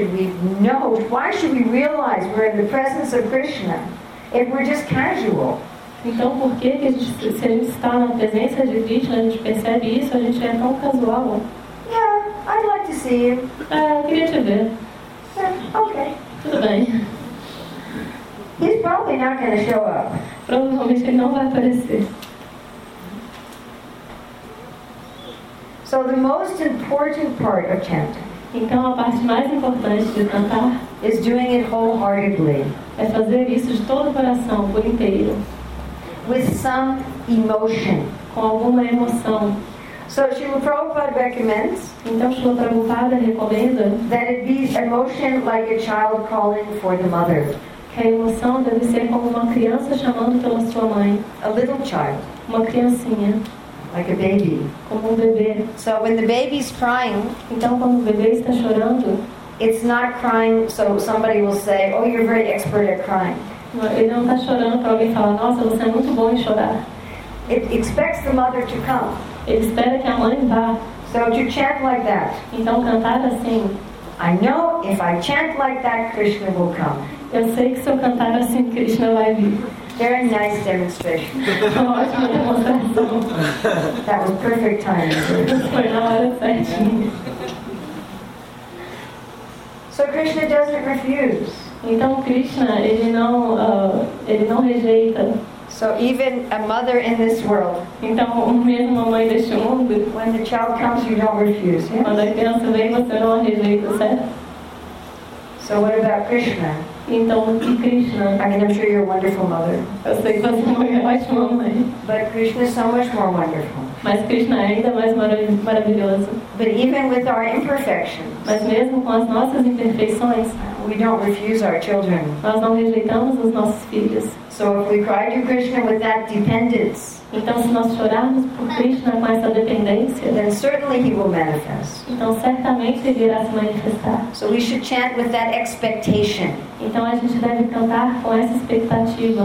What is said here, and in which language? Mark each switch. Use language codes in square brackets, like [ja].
[en] Why should we realize we're in the presence of Krishna if we're just casual? [pt] Então, por que, que a gente, se a gente está na presença de Krishna, a gente percebe isso, a gente é tão casual? [en] Yeah, I'd like to see you. [pt] Queria te ver. [en] Yeah, okay. [pt] Tudo bem. [en] He's probably not going to show up. [pt] Provavelmente ele não vai aparecer. [en] So the most important part of chanting. [pt] Então a parte mais importante de cantar [en] is doing it wholeheartedly. [pt] É fazer isso de todo o coração, por inteiro. [en] With some emotion. [pt] Com alguma emoção. [en] So Srila Prabhupada recommends. [pt] Então Srila Prabhupada recomenda [en] that it be emotion like a child calling for the mother. [pt] Que a emoção deve ser como uma criança chamando pela sua mãe. [en] A little child. [pt] Uma criancinha. [en] Like a baby. [pt] Como bebê. [en] So when the baby's crying, [pt] então quando o bebê está chorando, [en] it's not crying. So somebody will say, "Oh, you're very expert at crying." [pt] Ele não está chorando para alguém falar, "Nossa, você é muito bom em chorar." [en] It expects the mother to come. [pt] Ele espera que a mãe vá. [en] So to chant like that. [pt] Então cantar assim. [en] I know if I chant like that, Krishna will come. [pt] Eu sei que se eu cantar assim, Krishna vai vir. [en] Very nice demonstration. That was perfect timing. So Krishna doesn't refuse. [pt] Então Krishna, ele não rejeita. [en] So even a mother in this world. [pt] Então mesmo uma mãe deste mundo. [en] When the child comes, you don't refuse. [pt] Quando a criança vem, você não rejeita, certo? [en] So what about Krishna? [pt] Então, Krishna, [en] I am sure you're a wonderful mother. [pt] Eu sei que você é uma ótima mãe. [en] But Krishna is so much more wonderful. [pt] Mas Krishna é ainda mais maravilhoso. [en] But even with our imperfections, [pt] mas mesmo com as nossas imperfeições, [en] we don't refuse our children. [pt] Nós não rejeitamos os nossos filhos. [en] So if we cry to Krishna with that dependence, [pt] então se nós chorarmos por Krishna com essa dependência, [en] then certainly he will manifest. [pt] Então certamente ele irá se manifestar. [en] So we should chant with that expectation. [pt] Então a gente deve cantar com essa expectativa.